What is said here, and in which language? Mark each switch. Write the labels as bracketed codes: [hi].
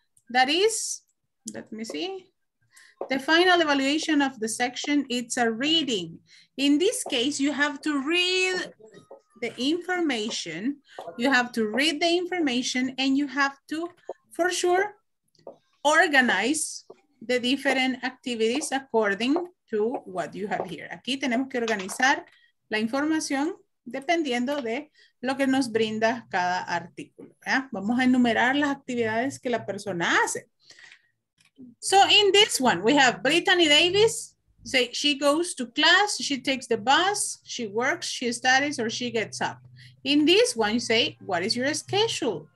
[en] That is, let me see. The final evaluation of the section, it's a reading. In this case, you have to read the information. You have to read the information, and you have to, for sure, organize the different activities according to what you have here. [es] Aquí tenemos que organizar la información dependiendo de lo que nos brinda cada artículo. ¿Eh? Vamos a enumerar las actividades que la persona hace. [en] So in this one, we have Brittany Davis. Say she goes to class, she takes the bus, she works, she studies, or she gets up. In this one, you say, what is your schedule?